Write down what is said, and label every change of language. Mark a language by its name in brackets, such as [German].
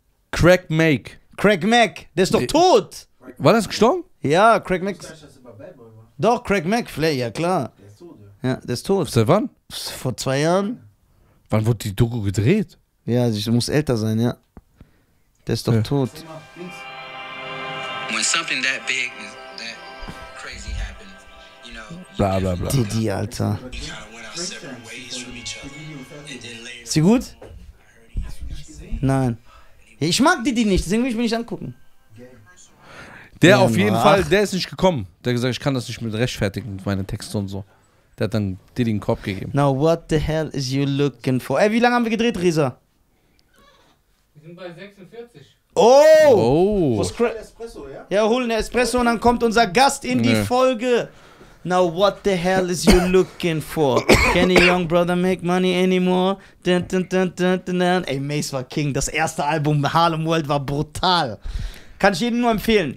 [German] Crack Mac. Crack Mac, der ist doch tot. War das gestorben? Ja, Crack Mac. Doch, Crack Mac, Flair, ja klar. Der ist tot, ja. Ja, der ist tot. Seit wann? Vor 2 Jahren. Wann wurde die Doku gedreht? Ja, sie muss älter sein, ja. Der ist doch tot. [English] When something that big is that crazy happens, you know, bla bla bla. [German] Diddy, Alter. Ist sie gut? Nein. Ja, ich mag Diddy nicht, deswegen will ich mich nicht angucken. Der auf jeden Fall, der ist nicht gekommen. Der hat gesagt, ich kann das nicht mit rechtfertigen, meine Texte und so. Der hat dann Diddy den Kopf gegeben. [English] Now what the hell is you looking for? [German] Ey, wie lange haben wir gedreht, Risa? Wir sind bei 46. Oh! Oh. Espresso, ja? Ja, holen Espresso und dann kommt unser Gast in die Folge. [English] Now what the hell is you looking for? Can a young brother make money anymore? Dun, dun, dun, dun, dun, dun. [German] Ey, Mace war King. Das erste Album Harlem World war brutal. Kann ich jedem nur empfehlen.